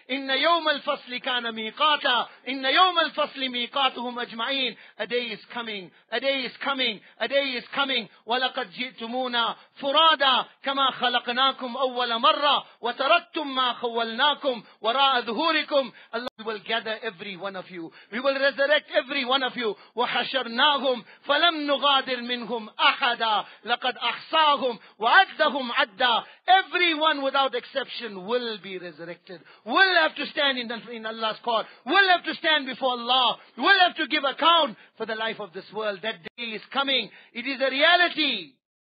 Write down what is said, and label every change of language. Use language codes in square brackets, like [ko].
[ar] إن يوم الفصل كان ميقاتا. إن يوم الفصل ميقاتهم أجمعين. [en] A day is coming. A day is coming. A day is coming. [ar] ولقد جئتمونا فرادا كما خلقناكم أول مرة وتركتم ما خولناكم وراء ظهوركم. [en] Allah will gather every one of you. We will resurrect every one of you. [ar] وحشرناهم فلم نغادر منهم أحدا. لقد أحصاهم وعدهم عدا. [en] Everyone without exception will be resurrected, will have to stand in Allah's court, will have to stand before Allah, will have to give account for the life of this world. That day is coming. It is a reality.